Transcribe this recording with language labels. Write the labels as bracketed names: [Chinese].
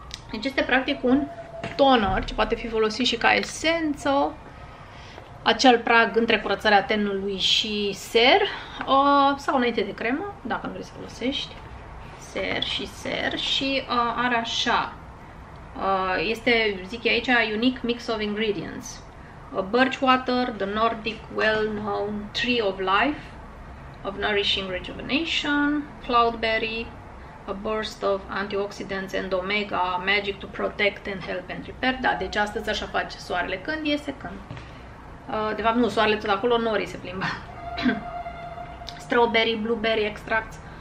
[Romanian] Deci este practic un toner ce poate fi folosit și ca esență, acel prag între curățarea tenului și ser sau înainte de cremă, dacă nu vrei să folosești ser și are așa, este, zic aici, [English] a unique mix of ingredients. Birch water, the Nordic well-known tree of life, of nourishing rejuvenation, cloudberry, a burst of antioxidants and omega, magic to protect and help and repair. [Romanian] Da, deci astăzi așa face soarele. Când iese? Când? De fapt, nu, soarele tot acolo, norii se plimbă. [English] Strawberry, blueberry extracts.